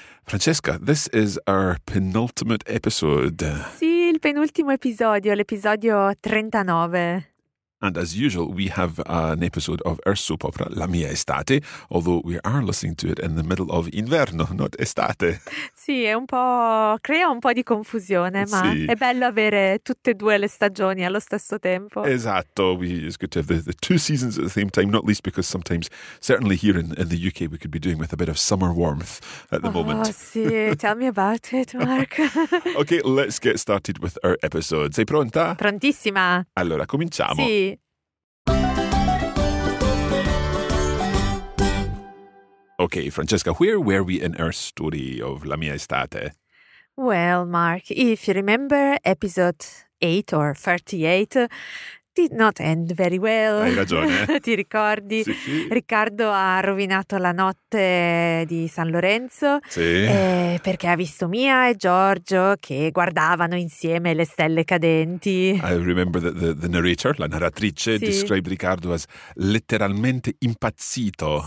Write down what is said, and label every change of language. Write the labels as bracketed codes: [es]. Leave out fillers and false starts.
[en] Francesca, this is our penultimate episode. [it] Sì, il penultimo episodio, l'episodio 39. [en] And as usual, we have an episode of our soap opera, La Mia Estate, although we are listening to it in the middle of inverno, not estate. [it] Sì, è un po', crea un po' di confusione, ma sì. È bello avere tutte e due le stagioni allo stesso tempo. [en] Esatto, it's good to have the two seasons at the same time, not least because sometimes, certainly here in the UK, we could be doing with a bit of summer warmth at the moment. [it] Oh, sì, [en] tell me about it, Mark. Okay, let's get started with our episode. [it] Sei pronta? Prontissima. Allora, cominciamo. Sì. [en] Okay, Francesca, where were we in our story of La Mia Estate? Well, Mark, if you remember, episode 8 or 38 did not end very well. [it] Hai ragione. Ti ricordi? Sì, sì. Riccardo ha rovinato la notte di San Lorenzo. Sì. Perché ha visto Mia e Giorgio che guardavano insieme le stelle cadenti. [en] I remember that the narrator, [it] la narratrice, sì, [en] described Riccardo as [it] letteralmente impazzito.